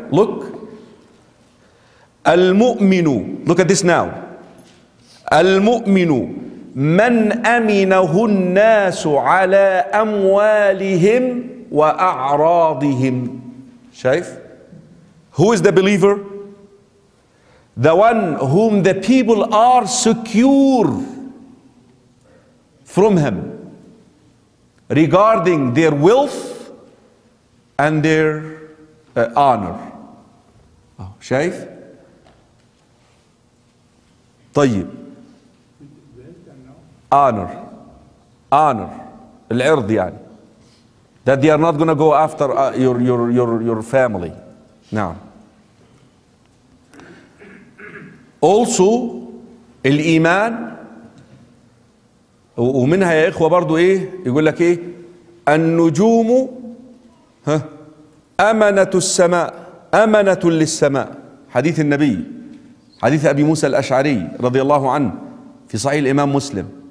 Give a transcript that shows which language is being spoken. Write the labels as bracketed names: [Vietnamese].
[English] Look, [Arabic] المؤمن, [English] look at this now, [Arabic] المؤمن من أمنه الناس على أموالهم وأعراضهم. [English] شايف, who is the believer? The one whom the people are secure from him regarding their wealth and their honor. [Arabic] Oh, شايف؟ طيب. [English] Honor. Honor. [Arabic] العرض يعني. [English] That they are not going to go after your family. [Arabic] نعم. Also, الإيمان, ومنها يا إخوة برضو إيه يقول لك إيه, النجوم أمنة السماء, أمنة للسماء. حديث النبي, حديث أبي موسى الأشعري رضي الله عنه في صحيح الإمام مسلم.